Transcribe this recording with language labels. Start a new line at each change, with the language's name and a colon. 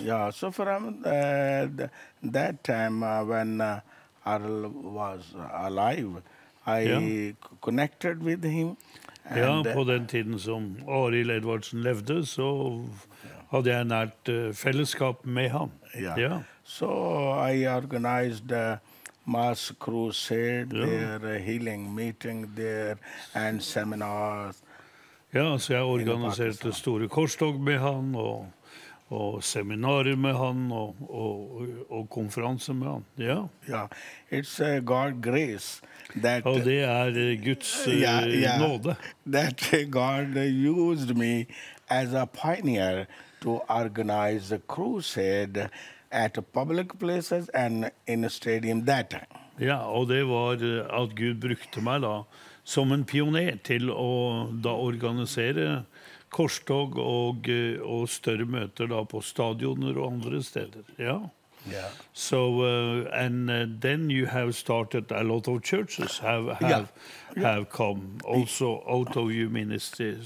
English: Yeah, so from that time when Arl was alive, I connected with him.
Norwegian: Ja, på den tiden som Arl Edvardsen levde, så hadde jeg nært fellesskap med han.
English: So I organized mass crusade there, healing meeting there, and seminars.
Norwegian: Ja, så jeg organiserte store korstog med han, og seminarer med han, og konferanser med han. Ja,
English: it's God's grace.
Norwegian: Og det er Guds nåde.
English: That God used me as a pioneer to organize a crusade at public places and in a stadium that time.
Norwegian: Ja, og det var at Gud brukte meg da, som en pioner til å da organisere korstog og større møter da på stadioner og andre steder. Ja.
English: Yeah. So and then you have started a lot of churches have come also out of your ministry.